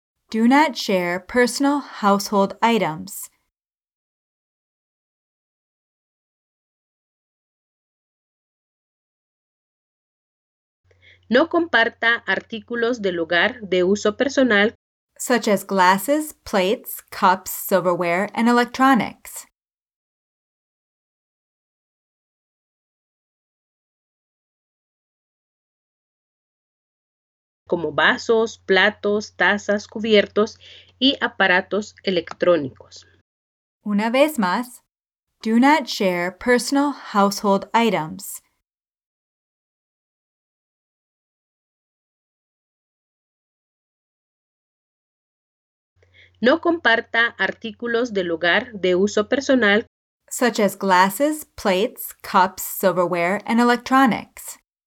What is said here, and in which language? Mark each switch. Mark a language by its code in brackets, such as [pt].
[en] Do not share personal household items. [es] No comparta artículos del hogar de uso personal, [en] such as glasses, plates, cups, silverware, and electronics. [es] Como vasos, platos, tazas, cubiertos y aparatos electrónicos. Una vez más, [en] do not share personal household items. [es] No comparta artículos del hogar de uso personal, [en] such as glasses, plates, cups, silverware, and electronics.